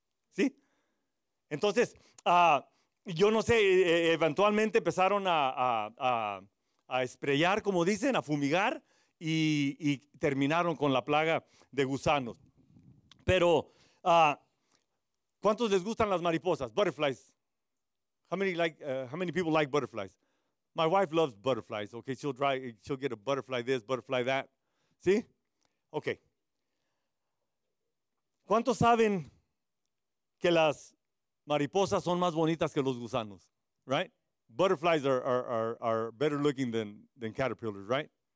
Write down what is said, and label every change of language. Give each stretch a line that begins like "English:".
Spanish: ¿Sí? Entonces, yo no sé, eventualmente empezaron a esprayar, como dicen, a fumigar y terminaron con la plaga de gusanos. Pero, ¿cuántos les gustan las mariposas?
English: Butterflies. How many people like butterflies? My wife loves butterflies. Okay, she'll get a butterfly this, butterfly that.
Spanish: ¿Sí? Okay. ¿Cuántos saben que las mariposas son más bonitas que los gusanos?
English: Right? Butterflies are better looking than caterpillars, right?